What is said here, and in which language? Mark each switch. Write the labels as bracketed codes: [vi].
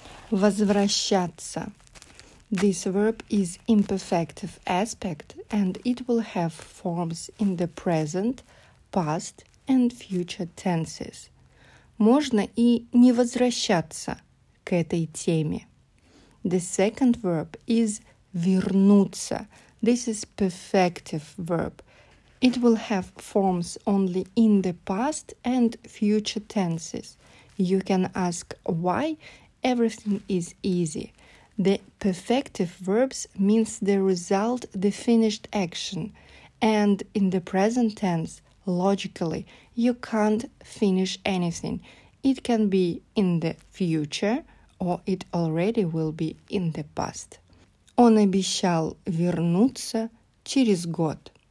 [ru] Возвращаться. [en] This verb is imperfective aspect, and it will have forms in the present, past, and future tenses. [ru] Можно и не возвращаться к этой теме. [en] The second verb is вернуться. This is perfective verb. It will have forms only in the past and future tenses. You can ask why. Everything is easy. The perfective verbs means the result, the finished action. And in the present tense, logically, you can't finish anything. It can be in the future, or it already will be in the past. [ru] Он обещал вернуться через год.